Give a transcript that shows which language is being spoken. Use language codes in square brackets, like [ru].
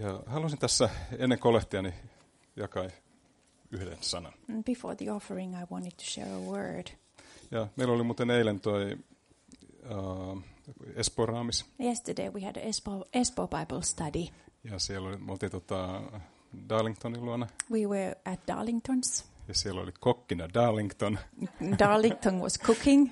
[fi] Ja haluaisin tässä ennen kolehtiani jakaa yhden sanan. [en] Before the offering I wanted to share a word. [fi] Ja meillä oli muuten eilen toi Espoo Raamis. [en] Yesterday we had an Espoo Bible study. [fi] Ja siellä oli, me oltiin Darlingtonin luona. [en] We were at Darlington's. [fi] Ja siellä oli kokkina Darlington. [en] Darlington was cooking.